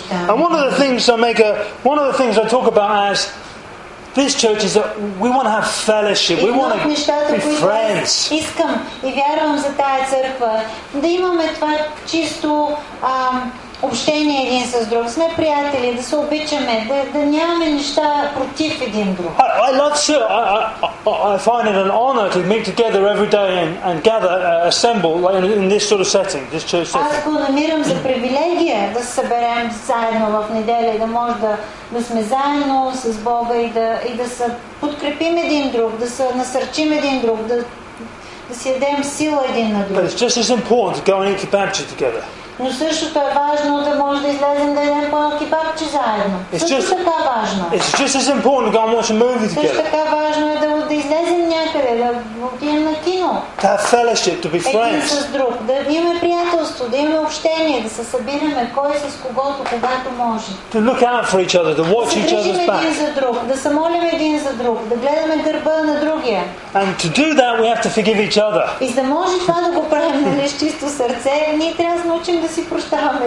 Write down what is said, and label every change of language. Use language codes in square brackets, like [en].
[en] And one of the things I talk about as this church is that we want to have fellowship. We want to be friends. [bg] Искам и вярвам за тая църква да имаме това чисто общение един с друг. Сме приятели, да се обичаме, да нямаме неща против един друг. [en] I love to. I find it an honor to meet together every day and gather, assemble in this sort of setting, this church setting. [bg] Аз го намирам за привилегия да се съберем заедно в неделя, да може да сме заедно с Бога и да се подкрепим един друг, да се насърчим един друг, да си дадем сила един на друг. [en] But it's just as important to go and eat kebab together. [bg] Но същото е важно да може да излезем да едем по-малки бабчи заедно. Също така важно. [en] It's just as important to go and watch a movie together. [bg] Също така важно е да излезем някъде, да отидем на кино. [en] To have fellowship, to be friends. [bg] Един с друг, да имаме приятелство, да имаме общение, да се събираме кой с когото, когато може. [en] To look out for each other, to watch each other's back. [bg] Да се грижим един за друг, да се молим един за друг, да гледаме гърба на другия. [en] And to do that, we have to forgive each other. [bg] И за да може това да го правим нали, с чисто сърце, ние трябва да научим да си прощаваме.